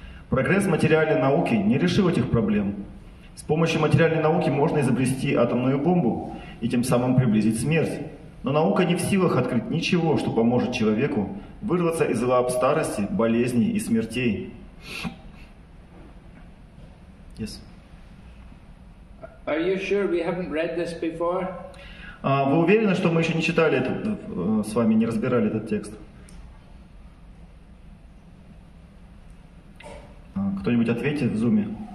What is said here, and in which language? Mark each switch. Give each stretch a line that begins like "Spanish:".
Russian: Прогресс материальной науки не решил этих проблем. С помощью материальной науки можно изобрести атомную бомбу и тем самым приблизить смерть. Но наука не в силах открыть ничего, что поможет человеку вырваться из лап старости, болезней и смертей.
English: Yes. Are you sure we haven't read this before?
Russian: Вы уверены, что мы еще не читали этот, с вами не разбирали этот текст? Кто-нибудь ответьте в зуме.